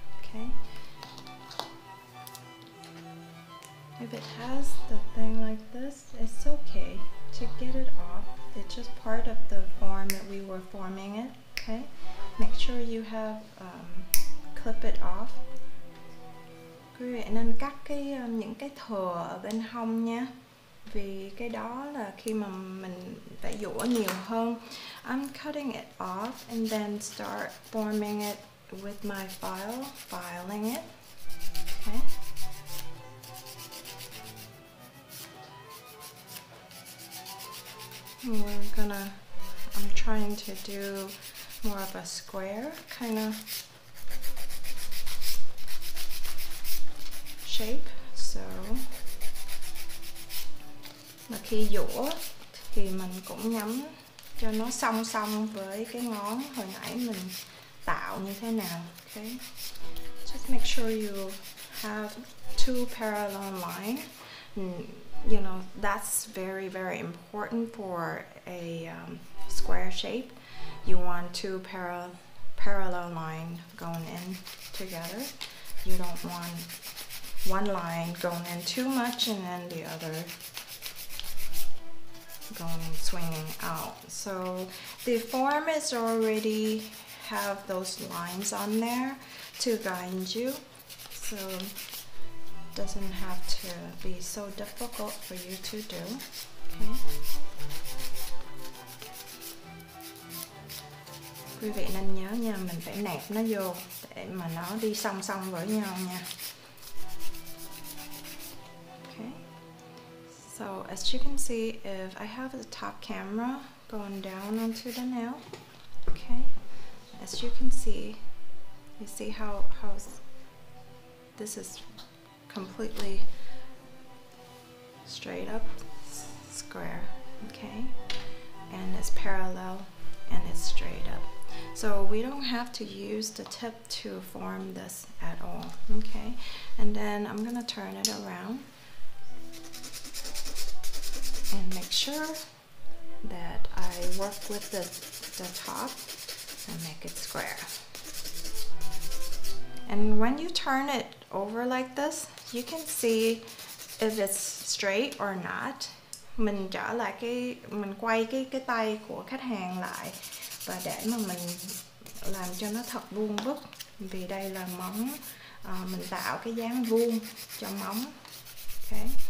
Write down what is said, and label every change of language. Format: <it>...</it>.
<en>Okay, if it has the thing like this, it's okay to get it off. It's just part of the form that we were forming it. Okay, make sure you have clip it off.</en> <vi>Quý vị nên cắt cái những cái thừa ở bên hông nha, vì cái đó là khi mà mình phải dũa nhiều hơn.</vi> <en>I'm cutting it off and then start forming it with my file, filing it. Okay. I'm trying to do more of a square kind of shape.</en> <vi>So mà khi dũa thì mình cũng nhắm cho nó song song với cái ngón hồi nãy mình tạo như thế nào.</vi> <en>Okay, just make sure you have two parallel lines. You know, that's very very important for a square shape. You want two parallel lines going in together. You don't want one line going in too much and then the other going swinging out. So the form is already have those lines on there to guide you, so doesn't have to be so difficult for you to do. Okay.</en> <vi>Quý vị nên nhớ nha, mình phải nẹp nó vô để mà nó đi song song với nhau nha.</vi> <en>So as you can see, if I have the top camera going down onto the nail, okay, as you can see, you see how this is completely straight up square, okay, and it's parallel and it's straight up. So we don't have to use the tip to form this at all, okay, and then I'm gonna turn it around and make sure that I work with the top and make it square. And when you turn it over like this, you can see if it's straight or not.</en> <vi>Mình trở lại cái mình quay cái tay của khách hàng lại và để mà mình làm cho nó thật vuông vức, vì đây là móng mình tạo cái dáng vuông cho móng. Okay.</vi>